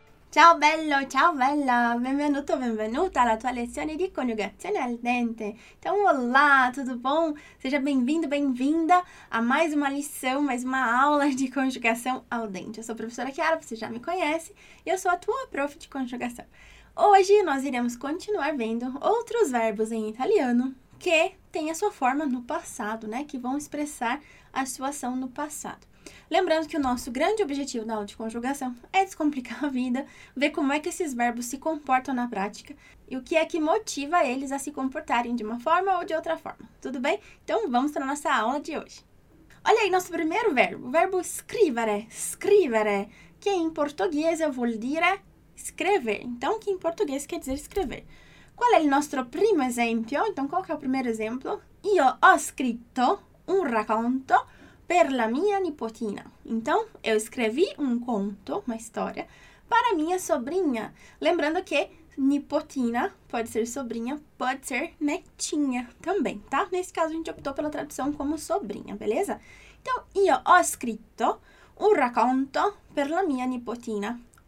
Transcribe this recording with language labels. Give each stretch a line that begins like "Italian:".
Italian: Ciao bello, ciao bella, benvenuto, benvenuta alla tua lezione di coniugazione al dente.
Portuguese: Então, olá, tudo bom? Seja bem-vindo, bem-vinda a mais uma lição, mais uma aula de conjugação ao dente. Eu sou a professora Chiara, você já me conhece, e eu sou a tua prof de conjugação. Hoje nós iremos continuar vendo outros verbos em italiano que têm a sua forma no passado, né? Que vão expressar a sua ação no passado. Lembrando que o nosso grande objetivo da aula de conjugação é descomplicar a vida, ver como é que esses verbos se comportam na prática e o que é que motiva eles a se comportarem de uma forma ou de outra forma. Tudo bem? Então vamos para a nossa aula de hoje. Olha aí nosso primeiro verbo, o verbo scrivere, scrivere, que em português eu vou dire escrever. Então, que em português quer dizer escrever. Qual é o nosso primo exemplo? Então, qual que é o primeiro exemplo?
Italian: Io ho scritto un racconto per la mia nipotina.
Portuguese: Então, eu escrevi um conto, uma história, para minha sobrinha. Lembrando que nipotina pode ser sobrinha, pode ser netinha também, tá? Nesse caso, a gente optou pela tradução como sobrinha, beleza? Então,
Italian: io ho scritto un racconto per la mia nipotina.